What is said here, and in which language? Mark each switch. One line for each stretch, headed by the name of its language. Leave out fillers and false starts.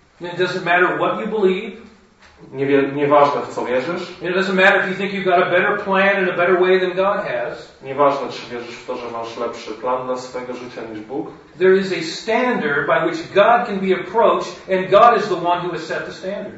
English: It doesn't matter what you believe.
Polish: Nieważne, w co wierzysz.
English: It doesn't matter if you think you've got a better plan and a better way than God has.
Polish: Nieważne, czy wierzysz w to, że masz lepszy plan dla swojego życia niż Bóg.
English: There is a standard by which God can be approached and God is the one who has set the standard.